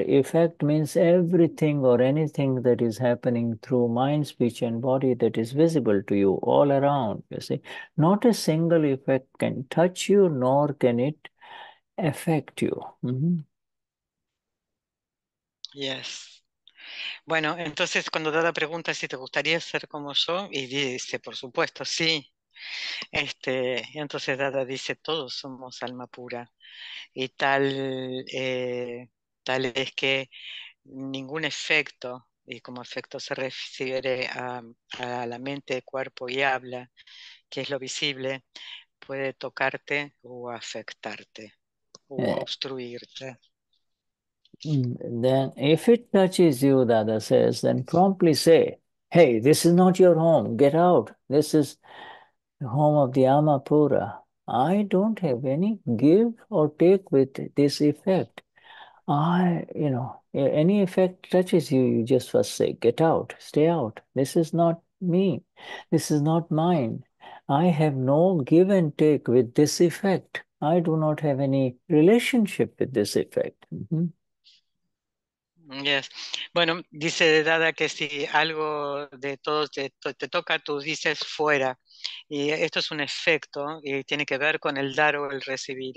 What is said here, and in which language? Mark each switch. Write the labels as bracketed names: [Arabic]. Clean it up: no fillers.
[English] Effect means everything or anything that is happening through mind, speech, and body that is visible to you all around, you see. Not a single effect can touch you, nor can it affect you. Yes. [Spanish] Bueno, entonces cuando Dada pregunta si te gustaría ser como yo, y dice, por supuesto, sí. Y entonces Dada dice, todos somos alma pura y tal es que ningún efecto, y como efecto se refiere a la mente, cuerpo y habla, que es lo visible, puede tocarte o afectarte o obstruirte. [English] Then if it touches you, Dada says, then promptly say, hey, this is not your home, get out, this is the home of the Amapura. I don't have any give or take with this effect. Any effect touches you, you just first say, get out, stay out. This is not me. This is not mine. I have no give and take with this effect. I do not have any relationship with this effect. Yes. [Spanish] Bueno, dice Dada que si algo de todos te toca, tú dices fuera. Y esto es un efecto y tiene que ver con el dar o el recibir.